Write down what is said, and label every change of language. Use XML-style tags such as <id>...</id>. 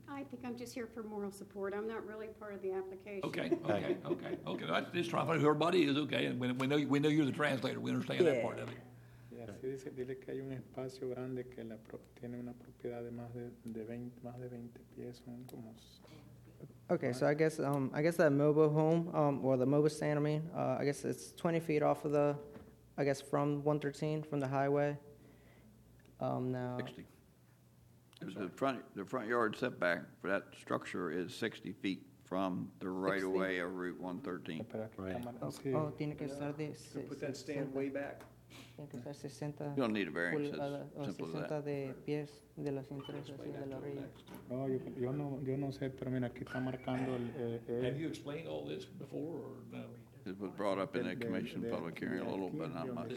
<en>I think I'm just here for moral support. I'm not really part of the application. Okay. I just trying to find who everybody is. Okay, and we know you're the translator. We understand that part of it. Yeah.</en> <es>Dice, dile que hay un espacio grande que la tiene una propiedad de más de 20 pies. Son como.</es> <en>Okay, so I guess that mobile home, or the mobile stand, I guess it's 20 feet off of the I guess, from 113, from the highway. Now 60. The front yard setback for that structure is 60 feet from the right-of-way of Route 113. Right. Oh,</en> <es>tiene que estar de...</es> <en>Put that stand way back. You don't need a variance, it's simple as that.</en> <es>De pies de las entradas de la orilla. No, yo no sé, pero mira, aquí está marcando el...</es> <en>Have you explained all this before, or no? It was brought up in a commission public hearing a little, but not much.</en>